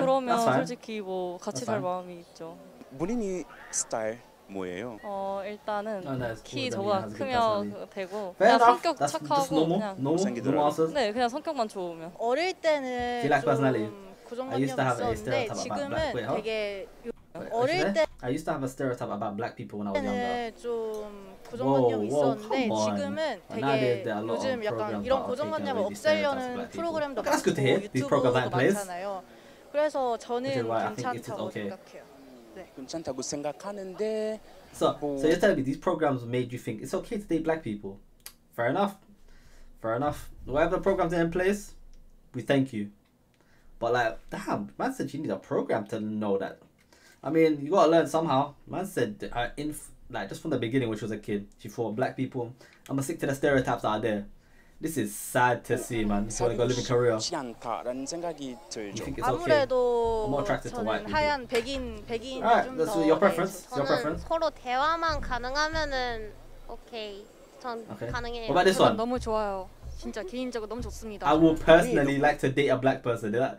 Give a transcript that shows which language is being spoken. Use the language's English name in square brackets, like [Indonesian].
[Korean] 그러면 솔직히 뭐 같이 살 마음이 있죠. 본인이 스타일 뭐예요? 일단은 키 저보다 크면 되고 그냥 성격 착하고 그냥 너무 네 그냥 성격만 좋으면 어릴 때는 고정관념이 있었는데 지금은 되게 [English] I used to have a stereotype about black people when I was younger. [Korean] 네, 좀 고정관념 있었는데 지금은 되게 요즘 약간 이런 고정관념을 없애려는 프로그램도 많고 유튜브도 많잖아요. 그래서 저는 괜찮다고 생각해요. 네, 괜찮다고 생각하는데. [English] So you're telling me these programs made you think it's okay to date black people? Fair enough. Whatever programs are in place, we thank you. But like, damn, man said you need a program to know that. I mean, you gotta learn somehow. Man said, like just from the beginning when she was a kid, she thought black people. I'ma stick to the stereotypes out there. This is sad to see, man. So they go live in Korea. You think it's okay? I'm more attracted to white people. [Korean] 하얀 백인 백인. [English] Alright, that's your preference. 네, your preference. [Korean] 서로 대화만 가능하면은 오케이. 전 [English] okay. [Korean] 가능해요. [English] What about this one? [Korean] 너무 좋아요. 진짜 개인적으로 너무 좋습니다. [English] I would personally like to date a black person.